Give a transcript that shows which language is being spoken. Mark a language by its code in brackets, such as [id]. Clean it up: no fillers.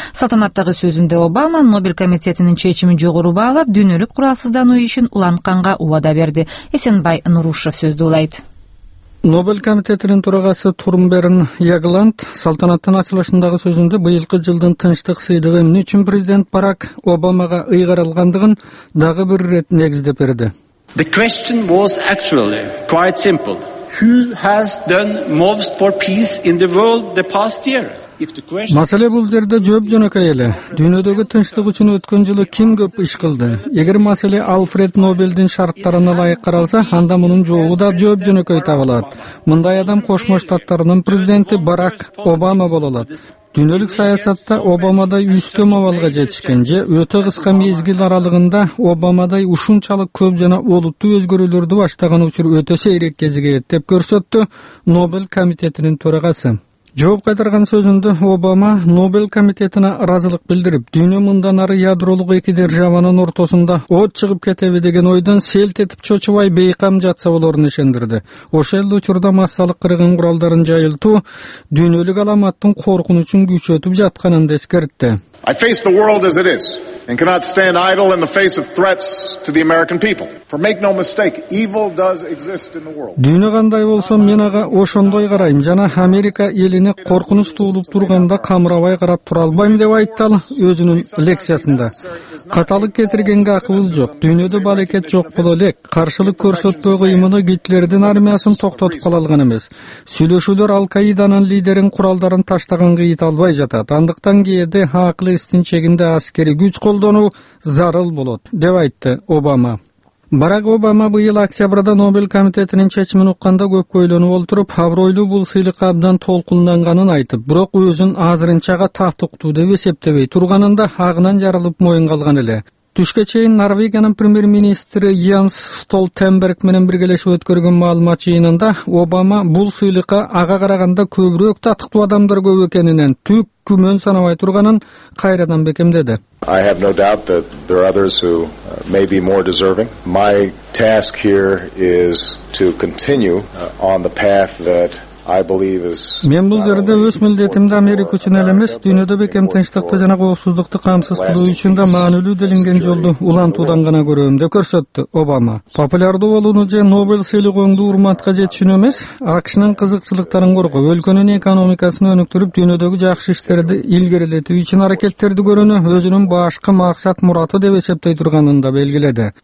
[ky] Салтанаттагы сөзүндө Обама Нобель комитетинин чечимин жогору баалап, дүйнөлүк куралсыздануу ишин уланканга убада берди. Эсенбай Нурушев сөздү улайт. Нобель комитетинин төрагасы Турмберн Ягланд салтанаттын ачылышындагы сөзүндө быйылкы жылдын тынчтык сыйлыгы эмне үчүн президент Барак Обамага ыйгарылгандыгын дагы бир ирет негиздеп берди. [en] The question was actually quite simple. Who has done most for peace in the world the past year? [ky] Маселе бул жерде жооп жөнөкөй эле. Дүйнөдөгү тынчтык үчүн өткөн жылы ким көп иш кылды? Эгер маселе Алфред Нобелдин шарттарына ылайык каралса, анда мунун жообу да жооп жөнөкөй табылат. Мындай адам Кошмо Штаттарынын президенти Барак Обама боло алат. Дүйнөлүк саясатта Обамадай үстөм абалга жетишкен же өтө кыска мезгил аралыгында Обамадай ушунчалык көп жана олуттуу өзгөрүүлөрдү баштаган учур өтө сейрек кезигет деп көрсөттү Нобель комитетинин төрагасы. Жооп кайтарган сөзүндө Обама Нобель комитетине ыраазылык билдирип, дүйнө мындан ары ядролук эки державанын ортосунда от чыгып кетеби деген ойдон селт этип чочубай бейкам жатса болорун ишендирди. Ошол эле учурда массалык кыргын куралдарын жайылтуу дүйнөлүк аламаттын коркунучун күчөтүп жатканын да эскертти. [en] I face the world as it is and cannot stand idle in the face of threats to the American people. For make no mistake, evil does exist in the world. [ky] Дүйнө кандай болсо мен ага ошондой карайм жана Америка элине коркунуч туулуп турганда камырабай карап тура албайм деп айтты өзүнүн лекциясында. Каталык кетиргенге акыбыз жок. Дүйнөдө балекет жок боло элек. Каршылык көрсөтпөй кыймыны Гитлердин армиясын токтотуп кала алган эмес. Сүйлөшүүлөр Ал-Каиданын лидерин куралдарын таштаган кыйыт албай жатат. Андыктан кээде акыл эстин чегинде аскери күч колдонуу зарыл болот деп айтты Обама. Барак Обама быйыл октябрда Нобель комитетинин чечимин укканда көпкө ойлонуп олтуруп, абройлуу бул сыйлыкка абдан толкунданганын айтып, бирок өзүн азырынчага тактыктуу деп эсептебей турганында агынан жарылып моюн калган эле. Түшкө чейин Норвегиянын премьер-министри Йенс Столтенберг менен биргелешип өткөргөн маалымат жыйынында Обама бул сыйлыкка ага караганда көбүрөөк тактыктуу адамдар көп экенинен түк күмөн санабай турганын кайрадан бекемдеди. [en] I have no doubt that there are others who may be more deserving. My task here is to continue on the path that I believe is [ky] Мен бул жерде өз милдетимди Америка үчүн эле эмес, дүйнөдө бекем тынчтыкты жана коопсуздукту камсыз кылуу үчүн да маанилүү делинген жолду улантуудан гана көрөм деп көрсөттү Обама. Популярдуу болууну же Нобель сыйлыгыңды урматка жетишүн эмес, АКШнын кызыкчылыктарын коргоп, өлкөнүн экономикасын өнүктүрүп, дүйнөдөгү жакшы иштерди илгерилетүү үчүн аракеттерди көрүүнү өзүнүн башкы максат мураты деп эсептей турганын да белгиледи.